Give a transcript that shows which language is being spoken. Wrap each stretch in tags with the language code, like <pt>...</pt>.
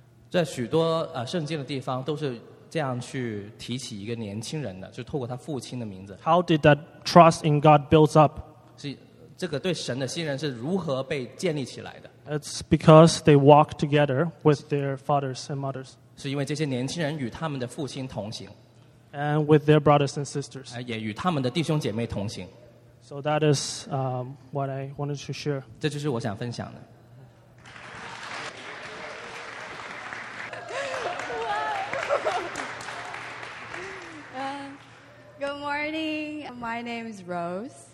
<zh>在许多圣经的地方都是这样去提起一个年轻人的，就透过他父亲的名字。</zh> <en>How did that trust in God builds up?</en> <zh>是这个对神的信任是如何被建立起来的？</zh> <en>It's because they walk together with their fathers and mothers.</en> <zh>是因为这些年轻人与他们的父亲同行</zh> <en>，and with their brothers and sisters，</en> <zh>也与他们的弟兄姐妹同行。</zh> <en>So that is what I wanted to share.</en> <zh>这就是我想分享的。</zh> <en>Good morning. My name is Rose.</en>